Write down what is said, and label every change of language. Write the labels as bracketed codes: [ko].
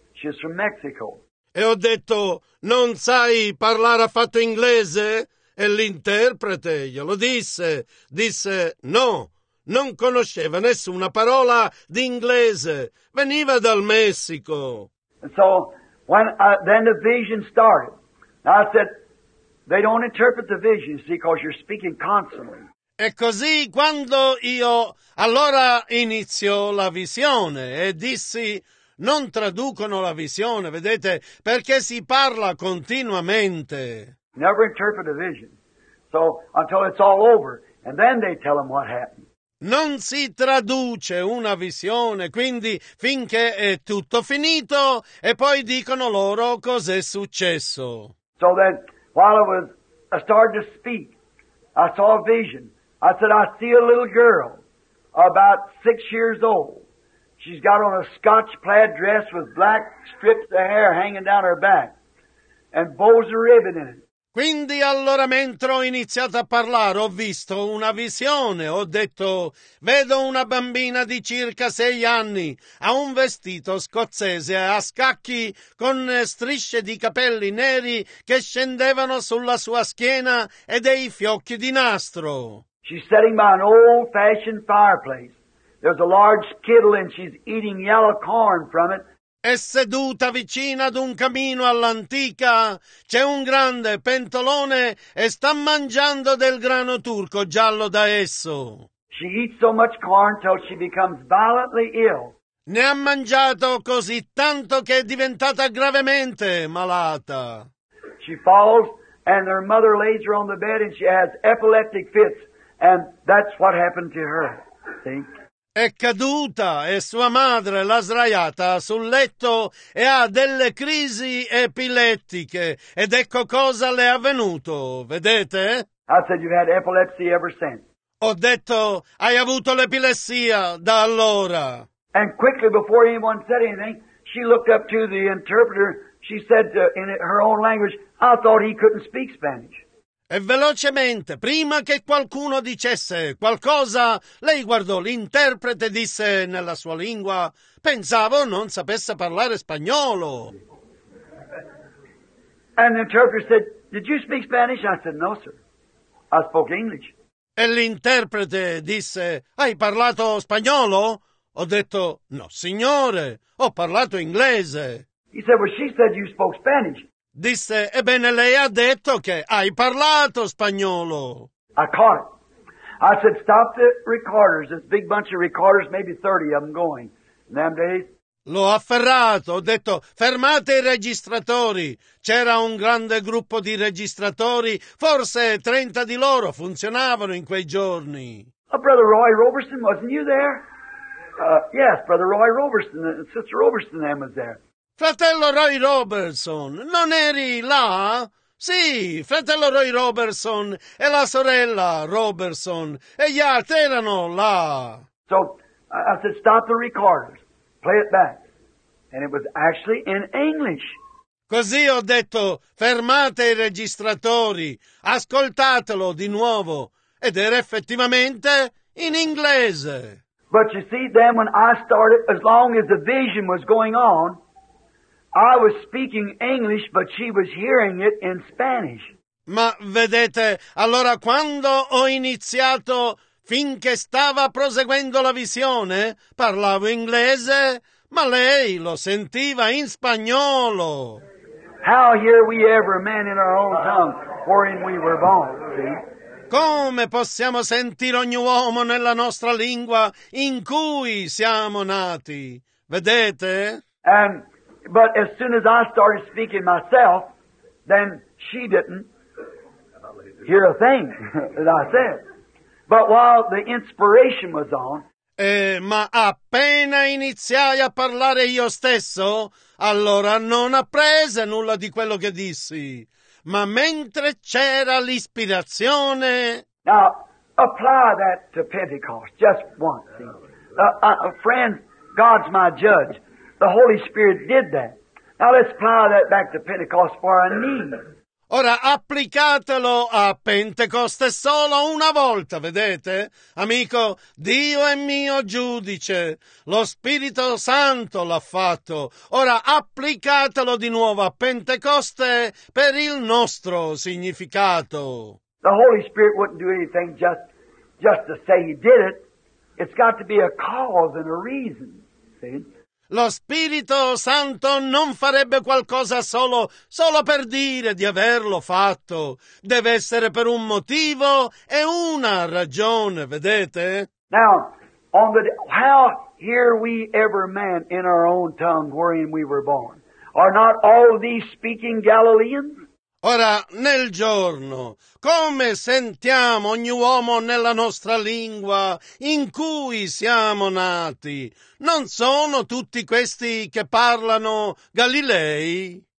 [en] She's from Mexico. [it] E ho detto, non sai parlare affatto inglese? E l'interprete glielo disse. Disse, no, non conosceva nessuna parola d'inglese. Veniva dal Messico. [en] And so, then the vision started. I said, they don't interpret the vision, see, because you're speaking constantly. [it] E così quando io, allora iniziò la visione e dissi, non traducono la visione, vedete, perché si parla continuamente. [en] Never interpret a vision. So, until it's all over, and then they tell them what happened. [it] Non si traduce una visione, quindi finché è tutto finito, e poi dicono loro cos'è successo. [en] So then, while I started to speak, I saw a vision. I said, I see a little girl, about 6 years old. She's got on a Scotch plaid dress with black strips of hair hanging down her back and bows a ribbon in it. [it] Quindi allora, mentre ho iniziato a parlare, ho visto una visione, ho detto, vedo una bambina di circa 6 anni, ha un vestito scozzese a scacchi con strisce di capelli neri che scendevano sulla sua schiena e dei fiocchi di nastro. [en] She's sitting by an old fashioned fireplace. There's a large kettle and she's eating yellow corn from it. [it] È seduta vicino ad un camino all'antica, c'è un grande pentolone e sta mangiando del grano turco giallo da esso. [en] She eats so much corn till she becomes violently ill. [it] Ne ha mangiato così tanto che è diventata gravemente malata. [en] She falls and her mother lays her on the bed and she has epileptic fits and that's what happened to her. See? [it] È caduta e sua madre l'ha sdraiata sul letto e ha delle crisi epilettiche ed ecco cosa le è avvenuto, vedete? [en] I said you've had epilepsy ever since. [it] Ho detto hai avuto l'epilessia da allora. [en] And quickly before anyone said anything, she looked up to the interpreter. She said in her own language, I thought he couldn't speak Spanish. [it] E velocemente, prima che qualcuno dicesse qualcosa, lei guardò l'interprete e disse nella sua lingua, pensavo non sapesse parlare spagnolo. [en] And the interpreter said, did you speak Spanish? I said, no, sir. I spoke English. [it] E l'interprete disse, hai parlato spagnolo? Ho detto, no, signore, ho parlato inglese. [en] He said, well, she said you spoke Spanish. [it] Disse, ebbene lei ha detto che hai parlato spagnolo. [en] I caught it. I said, stop the recorders, this big bunch of recorders, maybe 30 of them going. In them days. [it] L'ho afferrato, ho detto, fermate i registratori. C'era un grande gruppo di registratori, forse 30 di loro funzionavano in quei giorni. [en] Oh, Brother Roy Roberson, wasn't you there? Yes, Brother Roy Roberson, Sister Roberson them was there. [it] Fratello Roy Robertson, non eri là? Sì, fratello Roy Robertson e la sorella Robertson e gli altri erano là. [en] So, I said, stop the recorders, play it back. And it was actually in English. [it] Così ho detto, fermate i registratori, ascoltatelo di nuovo. Ed era effettivamente in inglese. [en] But you see, then when I started, as long as the vision was going on, I was speaking English, but she was hearing it in Spanish. [it] Ma vedete, allora quando ho iniziato, finché stava proseguendo la visione, parlavo inglese, ma lei lo sentiva in spagnolo. [en] How hear we ever men in our own tongue, wherein we were born, see? [it] Come possiamo sentire ogni uomo nella nostra lingua in cui siamo nati? Vedete? [en] But as soon as I started speaking myself, then she didn't hear a thing that I said. But while the inspiration was on, [it] ma appena iniziai a parlare io stesso, allora non apprese nulla di quello che dissi. Ma mentre c'era l'ispirazione, [en] now apply that to Pentecost just once. Friends, God's my judge. The Holy Spirit did that. Now let's apply that back to Pentecost for our need. [it] Ora applicatelo a Pentecoste solo una volta, vedete? Amico, Dio è mio giudice. Lo Spirito Santo l'ha fatto. Ora applicatelo di nuovo a Pentecoste per il nostro significato. [en] The Holy Spirit wouldn't do anything just to say he did it. It's got to be a cause and a reason, see? [it] Lo Spirito Santo non farebbe qualcosa solo per dire di averlo fatto. Deve essere per un motivo e una ragione, vedete? [en] Now, how hear we ever man in our own tongue wherein we were born? Are not all these speaking Galileans? [it] Ora, nel giorno, come sentiamo ogni uomo nella nostra lingua in cui siamo nati? Non sono tutti questi che parlano Galilei?